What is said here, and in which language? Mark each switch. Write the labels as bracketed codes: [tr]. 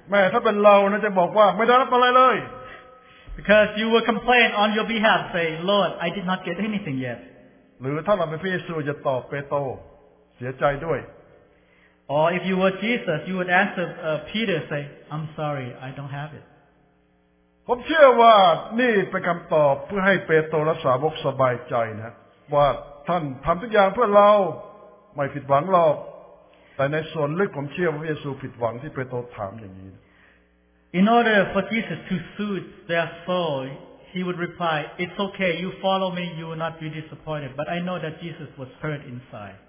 [th] แม่ถ้าเป็นเรานะจะบอกว่าไม่ได้รับอะไรเลย [en] Because you will complain on your behalf say Lord I did not get anything yet [th] หรือถ้าเราเป็นพระเยซูจะตอบเปโตรเสียใจด้วย [en] Or if you were Jesus you would answer Peter say I'm sorry I don't have it [th] ผมเชื่อว่านี่เป็นคำตอบเพื่อให้เปโตรและสาวกสบายใจนะว่าท่านทำทุกอย่างเพื่อเราไม่ผิดหวังหรอกแต่ในส่วนลึกผมเชื่อว่าพระเยซูผิดหวังที่เปโตรถามอย่างนี้ [en] In order for Jesus to soothe their soul, he would reply, "It's okay, you follow me, you will not be disappointed." But I know that Jesus was hurt inside.